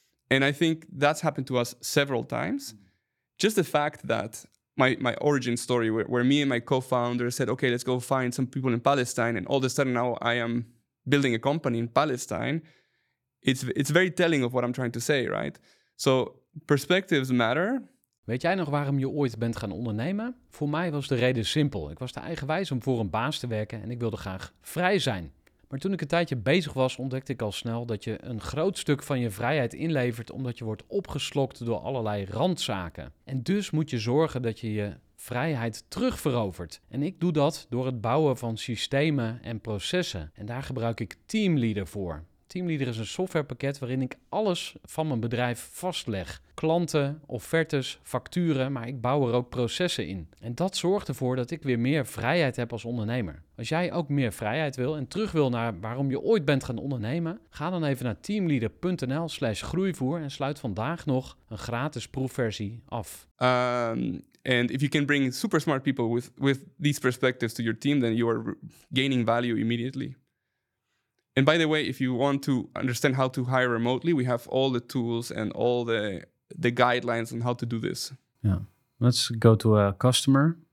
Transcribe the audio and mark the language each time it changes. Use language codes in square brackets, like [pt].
[en] And I think that's happened to us several times. Just the fact that my origin story where me and my co-founder said, okay, let's go find some people in Palestine, and all of a sudden now I am building a company in Palestine, it's very telling of what I'm trying to say, right? So perspectives matter. [nl] Weet jij nog waarom je ooit bent gaan ondernemen? Voor mij was de reden simpel. Ik was te eigenwijs om voor een baas te werken en ik wilde graag vrij zijn. Maar toen ik een tijdje bezig was, ontdekte ik al snel dat je een groot stuk van je vrijheid inlevert omdat je wordt opgeslokt door allerlei randzaken. En dus moet je zorgen dat je je vrijheid terugverovert. En ik doe dat door het bouwen van systemen en processen. En daar gebruik ik Teamleader voor. Teamleader is een softwarepakket waarin ik alles van mijn bedrijf vastleg. Klanten, offertes, facturen, maar ik bouw er ook processen in. En dat zorgt ervoor dat ik weer meer vrijheid heb als ondernemer. Als jij ook meer vrijheid wil en terug wil naar waarom je ooit bent gaan ondernemen, ga dan even naar teamleader.nl/groeivoer en sluit vandaag nog een gratis proefversie af. [en] And if you can bring super smart people with these perspectives to your team, then you are gaining value immediately. And by the way, if you want to understand how to hire remotely, we have all the tools and all the guidelines on how to do this. Yeah. Let's go to a customer.